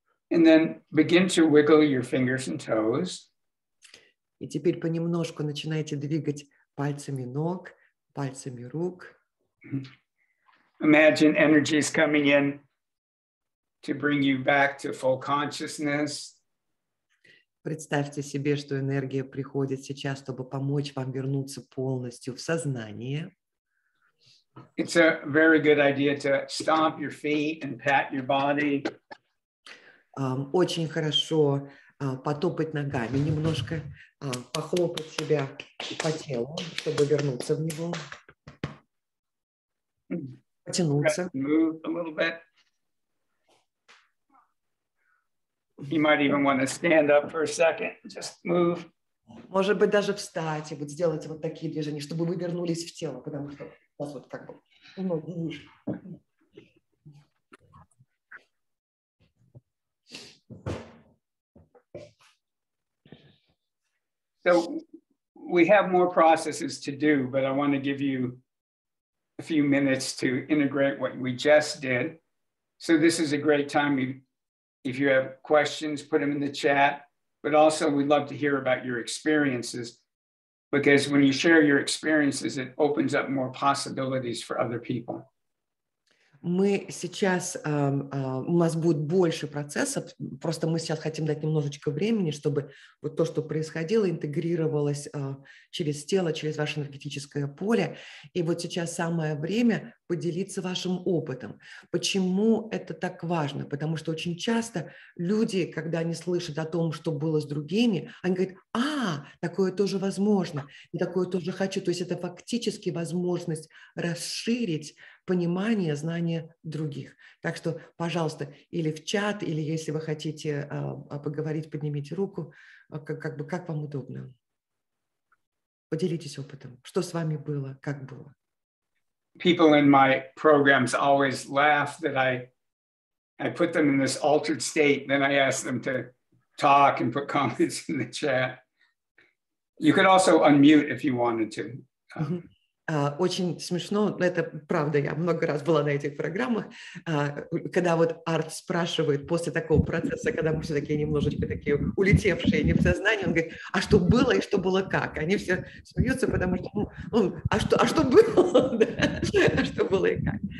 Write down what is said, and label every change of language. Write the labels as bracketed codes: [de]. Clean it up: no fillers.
[en] And then begin to wiggle your fingers and toes. [ru] И теперь понемножку начинайте двигать пальцами ног, пальцами рук. [en] Imagine energy is coming in to bring you back to full consciousness. [ru] Представьте себе, что энергия приходит сейчас, чтобы помочь вам вернуться полностью в сознание. [en] It's a very good idea to stomp your feet and pat your body. [ru] Очень хорошо потопать ногами, немножко похлопать себя по телу, чтобы вернуться в него, потянуться. [en] Move a little bit. You might even want to stand up for a second. Just move. [ru] Может быть, даже встать и вот сделать вот такие движения, чтобы вы вернулись в тело, потому что у вас вот как бы ноги ниже. [en] So we have more processes to do, but I want to give you a few minutes to integrate what we just did. So this is a great time. If you have questions, put them in the chat. But also, we'd love to hear about your experiences, because when you share your experiences, it opens up more possibilities for other people. [ru] Мы сейчас, у нас будет больше процессов, просто мы сейчас хотим дать немножечко времени, чтобы вот то, что происходило, интегрировалось через тело, через ваше энергетическое поле. И вот сейчас самое время поделиться вашим опытом. Почему это так важно? Потому что очень часто люди, когда они слышат о том, что было с другими, они говорят, а, такое тоже возможно, такое тоже хочу. То есть это фактически возможность расширить понимание, знание других. Так что, пожалуйста, или в чат, или если вы хотите поговорить, поднимите руку, как вам удобно. Поделитесь опытом. Что с вами было, как было? [en] People in my programs always laugh that I put them in this altered state, then I ask them to talk and put comments in the chat. You could also unmute if you wanted to. [ru] Очень смешно, но это правда, я много раз была на этих программах, когда вот Арт спрашивает после такого процесса, когда мы все такие немножечко такие улетевшие, не в сознании, он говорит, а что было и что было как? Они все смеются, потому что, что было, а что было и как?